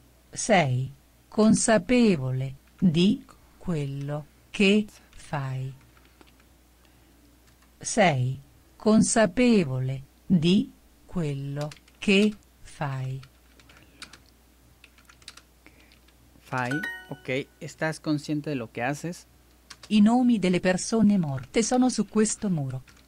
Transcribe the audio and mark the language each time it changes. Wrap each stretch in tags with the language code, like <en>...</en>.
<it>Sei consapevole di quello che fai? Sei consapevole di quello che fai?</it> <es>Fai, ok, estás consciente de lo que haces?</es> <it>I nomi delle persone morte sono su questo muro.</it>